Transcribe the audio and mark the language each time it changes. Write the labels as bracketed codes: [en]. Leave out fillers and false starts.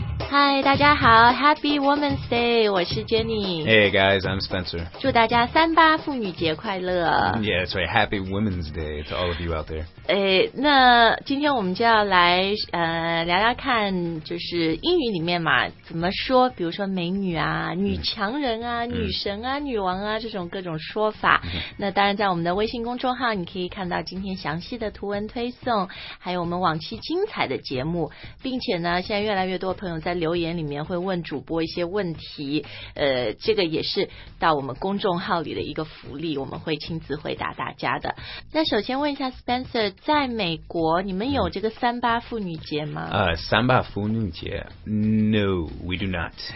[zh] 嗨，大家好 ， Happy Women's Day，我是 Jenny。 [en] Hey guys, I'm Spencer。 [zh] 祝大家三八妇女节快乐。 [en] Yeah, that's right. Happy Women's Day to all of you out there. [zh] 那今天我们就要来聊聊看，就是英语里面嘛，怎么说，比如说美女啊、女强人啊、女神啊、女王啊这种各种说法。那当然，在我们的微信公众号，你可以看到今天详细的图文推送，还有我们往期精彩的节目，并且呢，现在越来越多朋友在留言里面会问主播一些问题，这个也是到我们公众号里的一个福利，我们会亲自回答大家的。那首先问一下 Spencer， 在美国你们有这个三八妇女节吗？ [en] 三八妇女节？No, we do not.